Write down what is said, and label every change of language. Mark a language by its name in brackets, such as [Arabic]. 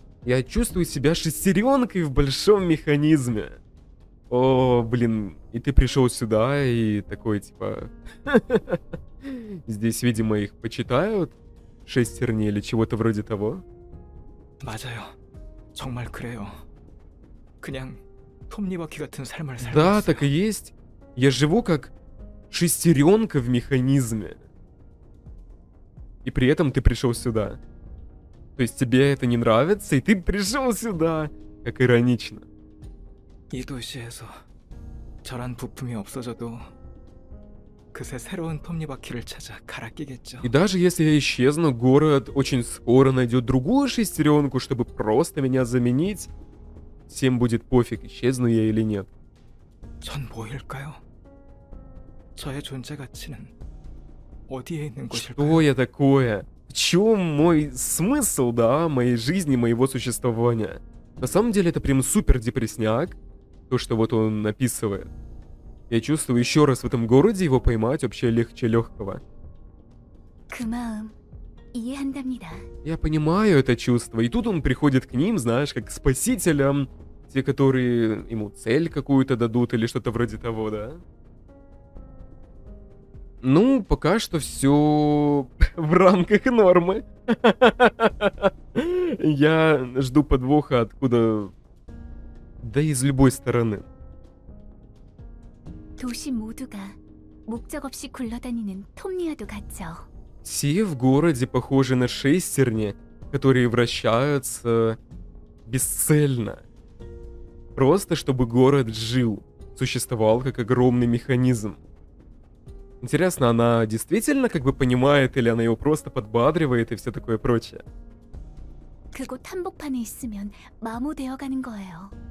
[Russian] Я чувствую себя шестеренкой в большом механизме. О, блин, и ты пришел сюда и такой типа. Здесь, видимо, их почитают шестерни или чего-то вроде того. [Korean] 맞아요, 정말 그래요. 그냥 톱니바퀴 같은 삶을 살고 있어요. [Russian] Да, так и есть. Я живу как шестеренка в механизме. И при этом ты пришел сюда. То есть тебе это не нравится, и ты пришел сюда. Как иронично. [Korean] 이 도시에서 저런 부품이 없어져도 그새 새로운 톱니바퀴를 찾아 갈아끼겠죠. [Russian] И даже если я исчезну, город очень скоро найдет другую шестеренку, чтобы просто меня заменить. Всем будет пофиг, исчезну я или нет. [Korean] 전 뭐일까요? 저의 존재 가치는 어디에 있는 것일까요? [Russian] Что я такое? В чем мой смысл, да, моей жизни, моего существования? На самом деле это прям супер депресняк, то, что вот он написывает. Я чувствую, еще раз в этом городе его поймать вообще легче легкого. [Korean] 그 마음 이해한답니다. [Russian] Я понимаю это чувство. И тут он приходит к ним, знаешь, как к спасителям. Те, которые ему цель какую-то дадут или что-то вроде того, да? Ну, пока что все в рамках нормы. Я жду подвоха откуда... Да из любой стороны. [Korean] 도시 모두가 목적 없이 굴러다니는 톰니아도 같죠. [Russian] Все в городе похожи на шестерни, которые вращаются бесцельно. Просто чтобы город жил, существовал как огромный механизм. Интересно, она действительно как бы понимает, или она его просто подбадривает и все такое прочее? [Korean] 그곳 한복판에 있으면 마모되어 가는 거예요.